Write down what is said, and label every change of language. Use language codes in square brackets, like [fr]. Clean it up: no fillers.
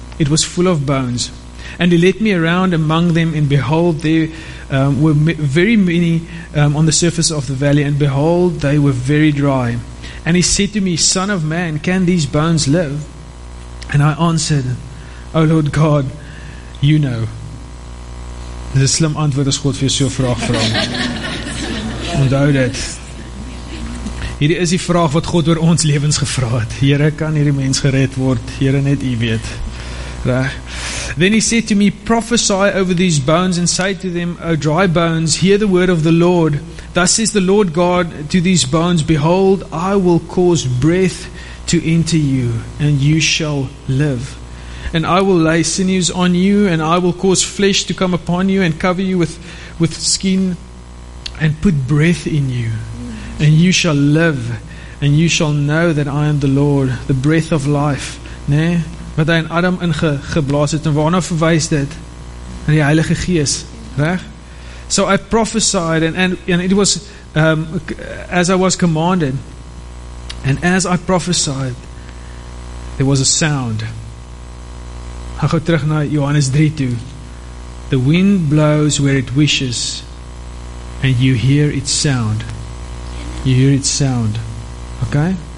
[en] It was full of bones. And he led me around among them, and behold, there were very many on the surface of the valley, and behold, they were very dry. And he said to me, Son of man, can these bones live? And I answered, O Lord God, you know. [af] Dis 'n slim antwoord as God vir jou so 'n vraag vra. Onthou dit. Hierdie is die vraag wat God oor ons lewens gevra het. Here, kan hierdie mens gered word? Here, net U weet. Reg. [en] Then he said to me, prophesy over these bones and say to them, O dry bones, hear the word of the Lord. Thus says the Lord God to these bones, behold, I will cause breath to enter you, and you shall live. And I will lay sinews on you, and I will cause flesh to come upon you, and cover you with skin, and put breath in you. And you shall live, and you shall know that I am the Lord, the breath of life. [af] Nee? Wat hy in Adam ingeblaas het, en waarna verwys dit? In die Heilige Gees, reg? [en] So I prophesied, and it was as I was commanded, and as I prophesied, there was a sound. [af] Hy gaat terug na Johannes 3 toe. [en] The wind blows where it wishes, and you hear its sound. You hear its sound. Okay?